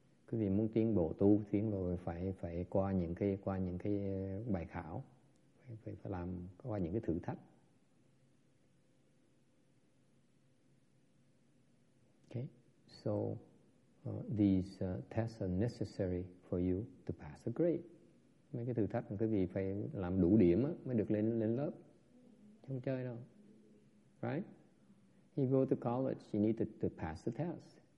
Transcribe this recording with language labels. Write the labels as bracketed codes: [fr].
[vi] Quý vị muốn tiến bộ tu tiến rồi phải qua những cái bài khảo, phải làm qua những cái thử thách. [en] Okay, so these tests are necessary for you to pass a grade. [vi] Mấy cái thử thách quý vị phải làm đủ điểm mới được lên lớp, không chơi đâu. [en] Right? You go to college, you need to pass the test.